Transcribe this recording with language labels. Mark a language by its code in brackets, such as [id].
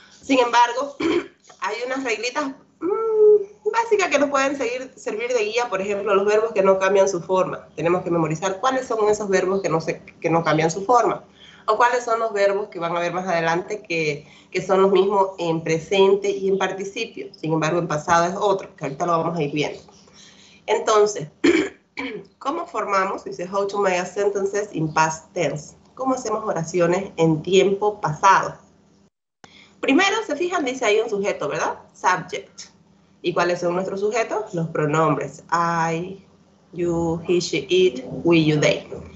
[es] Sin embargo, hay unas reglitas básicas que nos pueden servir de guía, por ejemplo, los verbos que no cambian su forma. Tenemos que memorizar cuáles son esos verbos que no cambian su forma. O cuáles son los verbos que van a ver más adelante que son los mismos en presente y en participio. Sin embargo, en pasado es otro, que ahorita lo vamos a ir viendo. Entonces, ¿cómo formamos? Dice, [en] how to make sentences in past tense. [es] ¿Cómo hacemos oraciones en tiempo pasado? Primero, se fijan, dice ahí un sujeto, ¿verdad? Subject. ¿Y cuáles son nuestros sujetos? Los pronombres. [en] I, you, he, she, it, we, you, they.